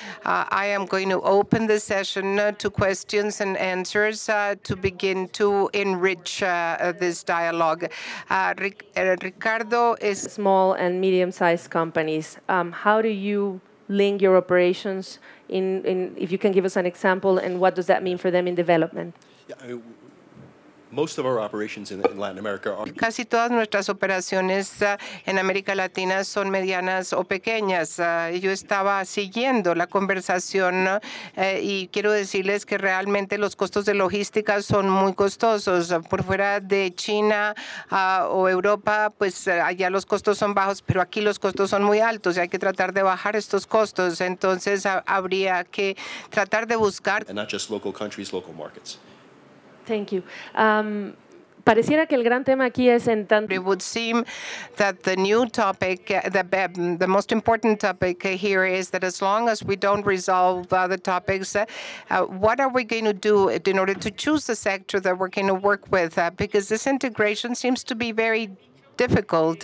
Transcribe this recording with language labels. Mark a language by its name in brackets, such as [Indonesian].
[English] I am going to open the session to questions and answers to begin to enrich this dialogue. Ricardo is small and medium-sized companies. How do you link your operations in, if you can give us an example, and what does that mean for them in development? Most of our operations in Latin America are. [Spanish] Casi todas nuestras operaciones en América Latina son medianas o pequeñas. Yo estaba siguiendo la conversación y quiero decirles que realmente los costos de logística son muy costosos. Por fuera de China o Europa, pues allá los costos son bajos, pero aquí los costos son muy altos y hay que tratar de bajar estos costos. Entonces habría que tratar de buscar. [English] And not just local countries, local markets. Thank you. [Spanish] Pareciera que el gran tema aquí es en tanto. [English] It would seem that the new topic, the most important topic here is that as long as we don't resolve the topics, what are we going to do in order to choose the sector that we're going to work with? Because this integration seems to be very difficult.